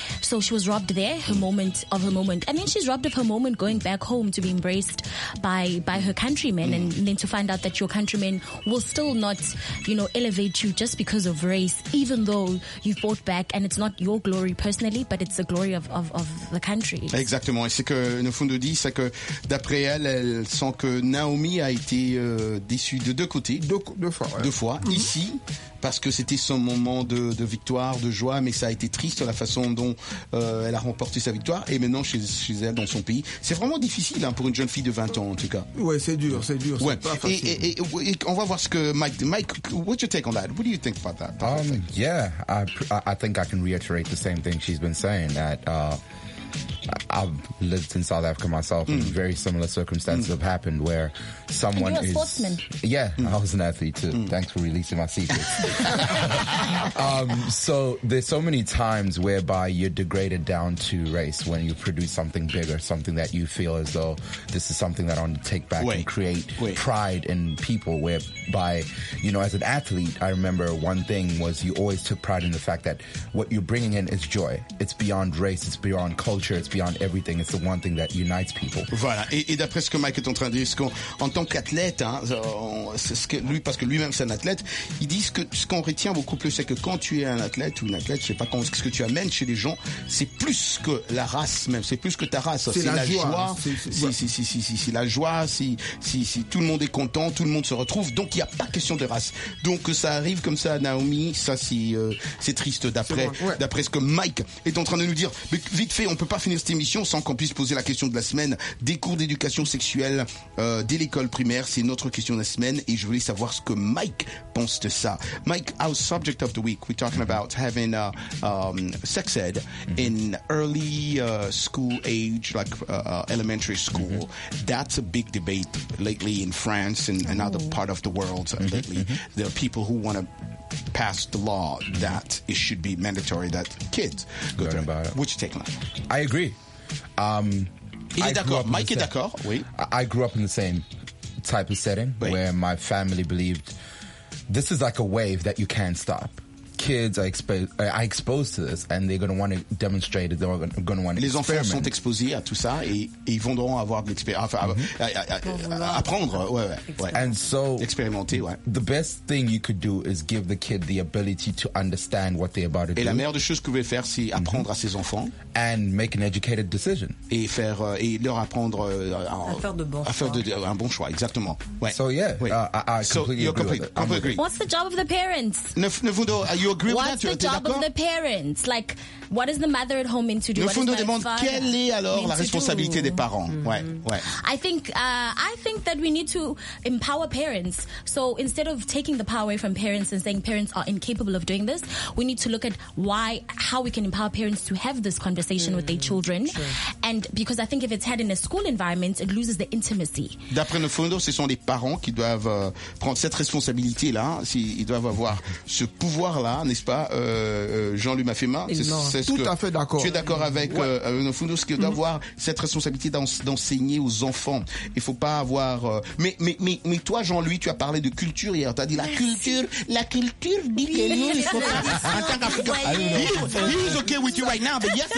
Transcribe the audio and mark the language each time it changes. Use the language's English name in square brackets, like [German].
[English] So she was robbed there, her moment. And then she's robbed of her moment going back home to be embraced by her countrymen and then to find out that your countrymen will still not, you know, elevate you just because of race, even though you fought back and it's not your glory personally, but it's the glory of the country. [French] Exactement. C'est que une fondodie, c'est que d'après elle, elle sent que Naomi a été déçue de deux côtés. Deux fois. Ouais. Deux fois. Mm-hmm. Ici, parce que c'était son moment de victoire, de joie, mais ça a été triste la façon dont elle a remporté sa victoire. Et maintenant, chez elle, dans son pays. C'est vraiment difficile hein, pour une jeune fille de 20 ans, en tout cas. Ouais, c'est dur. Ouais. C'est pas facile. Et on va voir ce que [English] Mike, what's your take on that? What do you think about that? I think I can reiterate the same thing she's been saying, that I've lived in South Africa myself, and very similar circumstances have happened where someone is. You're a sportsman. Yeah, I was an athlete too. Thanks for releasing my secrets. So there's so many times whereby you're degraded down to race when you produce something bigger, something that you feel as though this is something that I want to take back and create pride in people. Whereby, you know, as an athlete, I remember one thing was you always took pride in the fact that what you're bringing in is joy. It's beyond race, it's beyond culture, it's beyond everything. It's the one thing that unites people. [French] Voilà. Et d'après ce que Mike est en train de dire, ce qu'on, en tant qu'athlète, hein, c'est ce que lui, parce que lui-même c'est un athlète, il dit que ce qu'on retient beaucoup plus, c'est que quand tu es un athlète ou une athlète, je sais pas quand, ce que tu amènes chez les gens, c'est plus que la race même, c'est plus que ta race. C'est la joie. Tout le monde est content, tout le monde se retrouve, donc il n'y a pas question de race. Donc ça arrive comme ça à Naomi, ça c'est triste d'après, c'est bon, ouais. D'après ce que Mike est en train de nous dire. Mais vite fait, on peut pas finir cette émission sans qu'on puisse poser la question de la semaine des cours d'éducation sexuelle dès l'école primaire. C'est notre question de la semaine et je voulais savoir ce que Mike pense de ça. [English] Mike, our subject of the week, we're talking about having sex ed in early school age, like elementary school. That's a big debate lately in France and another part of the world lately. There are people who want to pass the law that it should be mandatory that kids go learn about it. What's your take on that? I agree. [French] Il est d'accord. Mike est d'accord. Oui. [English] I grew up in the same type of setting where my family believed this is like a wave that you can't stop. Kids are exposed to this and they're going to want to demonstrate it. They're going to want to experiment. [French] Les enfants sont exposés à tout ça et ils vont avoir de l'expérience. Apprendre. Expérimenter. [English] The best thing you could do is give the kid the ability to understand what they're about to do. [French] Et la meilleure des choses que vous pouvez faire, c'est apprendre à ses enfants. [English] And make an educated decision. [French] Et leur apprendre à faire un bon choix. Exactement. Ouais. [English] So, I completely agree. What's the job of the parents? You agree What's with that? The job of the parents? Like, what is the mother at home into doing? [French] Le fondo demande quelle est alors la responsabilité des parents? Mm-hmm. [English] I think that we need to empower parents. So instead of taking the power away from parents and saying parents are incapable of doing this, we need to look at how we can empower parents to have this conversation with their children. True. And because I think if it's had in a school environment, it loses the intimacy. [French] D'après le fondo, ce sont les parents qui doivent prendre cette responsabilité là. Si ils doivent avoir ce pouvoir là, n'est-ce pas, Jean-Louis Mafema? C'est tout à fait d'accord. Tu es d'accord avec Nofundo, ce qui doit avoir cette responsabilité d'enseigner aux enfants. Il faut pas avoir. Mais toi, Jean-Louis, tu as parlé de culture hier. Tu as dit la culture dit que nous, il faut pas. En tant qu'Africain. [English] He was okay with you right now, but